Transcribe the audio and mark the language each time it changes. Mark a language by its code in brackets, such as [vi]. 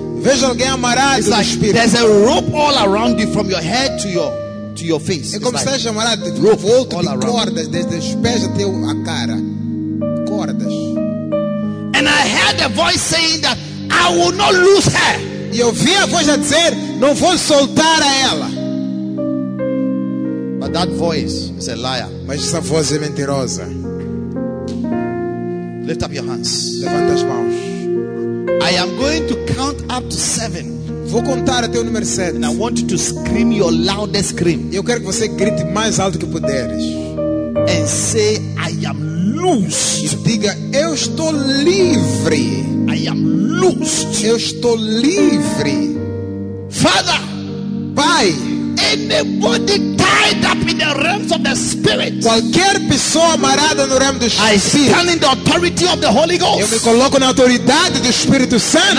[pt] Vejo alguém amarrado no espírito. [en] There's a rope all around you from your head to your face. [pt] É como se chamasse de [en] rope all around. [pt] Cordas desde os pés até a cara. Cordas. [en] And I heard a voice saying that I will not lose her. [pt] E eu ouvi a voz a dizer, não vou soltar a ela. [en] But that voice is a liar. [pt] Mas essa voz é mentirosa. [en] Lift up your hands. [pt] Levanta as mãos. [en] I am going to count up to 7. [pt] Vou contar até o número 7. [en] And I want you to scream your loudest scream. [pt] Eu quero que você grite mais alto que puderes. [en] And say, I am loosed. [pt] Diga, eu estou livre. [en] I am loosed. [pt] Eu estou livre. [en] Father, [pt] Pai, [en] anybody tied up in the realms of the spirit, [pt] qualquer pessoa amarrada no reino do Espírito, [en] I stand in the authority of the Holy Ghost. [pt] Eu me coloco na autoridade do Espírito Santo.